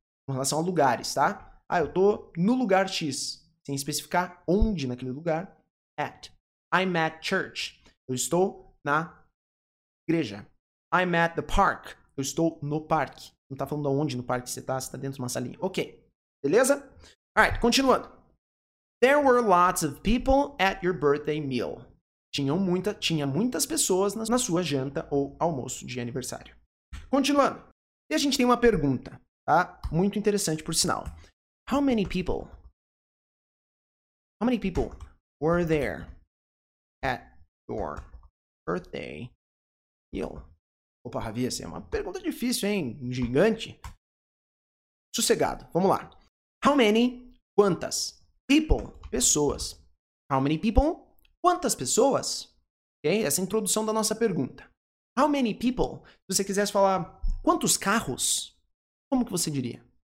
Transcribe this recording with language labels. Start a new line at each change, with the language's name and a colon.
Portuguese: Com relação a lugares, tá? Ah, eu tô no lugar X. Sem especificar onde naquele lugar, at.
English: I'm at church.
Portuguese: Eu estou na igreja.
English: I'm at the park.
Portuguese: Eu estou no parque. Não tá falando aonde no parque você tá, você tá dentro de uma salinha. Ok. Beleza? Alright, continuando.
English: There were lots of people at your birthday meal.
Portuguese: Tinha muitas pessoas na sua janta ou almoço de aniversário. Continuando. E a gente tem uma pergunta, tá? Muito interessante, por sinal.
English: How many people were there at your birthday meal?
Portuguese: Opa, Ravi, essa é uma pergunta difícil, hein? Gigante. Sossegado. Vamos lá.
English: How many?
Portuguese: Quantas?
English: People.
Portuguese: Pessoas.
English: How many people?
Portuguese: Quantas pessoas? Ok? Essa é a introdução da nossa pergunta.
English: How many people?
Portuguese: Se você quisesse falar quantos carros, como que você diria?